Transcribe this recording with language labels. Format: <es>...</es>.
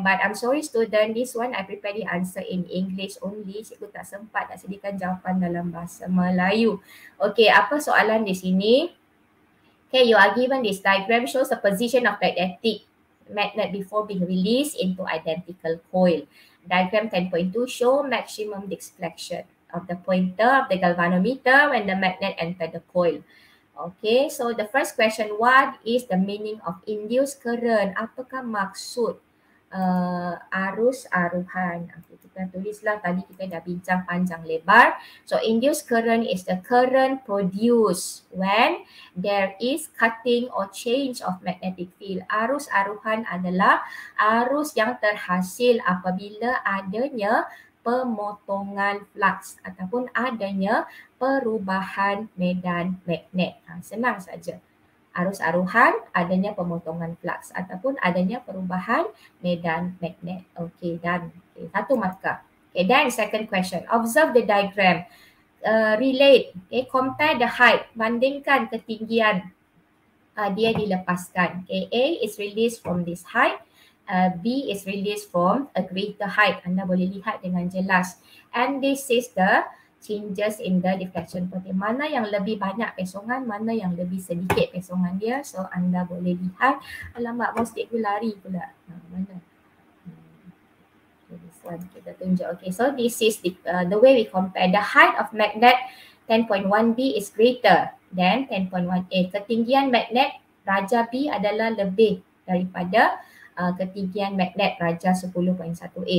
<en>But I'm sorry student, this one I prepare the answer in English only.</en> <ms>Cikgu tak sempat nak sediakan jawapan dalam bahasa Melayu. Okay, apa soalan di sini?</ms> <en>Okay, you are given this diagram shows the position of magnetic magnet before being released into identical coil. Diagram 10.2 show maximum deflection of the pointer of the galvanometer when the magnet enter the coil. Okay, so the first question, what is the meaning of induced current?</en> <ms>Apakah maksud arus aruhan? Okay, kita tulislah, tadi kita dah bincang panjang lebar.</ms> <en>So induced current is the current produced when there is cutting or change of magnetic field.</en> <ms>Arus aruhan adalah arus yang terhasil apabila adanya pemotongan flux ataupun adanya perubahan medan magnet. Senang saja. Arus aruhan, adanya pemotongan flux ataupun adanya perubahan medan magnet. Okey, dan okay, satu markah. Okey,</ms> <en>then second question. Observe the diagram. Relate. Okay, compare the height.</en> <ms>Bandingkan ketinggian dia dilepaskan.</ms> <en>Okay, A is released from this height. B is released from a greater height.</en> <ms>Anda boleh lihat dengan jelas.</ms> <en>And this is the changes in the diffraction pattern.</en> <ms>Mana yang lebih banyak pesongan, mana yang lebih sedikit pesongan dia. So anda boleh lihat. Alamak, bos cikgu lari pula. Mana? Okay, kita tunjuk.</ms> <en>Okay, so this is the way we compare. The height of magnet 10.1B is greater than 10.1A.</en> <ms>Ketinggian magnet Raja B adalah lebih daripada ketinggian magnet Raja 10.1A.</ms>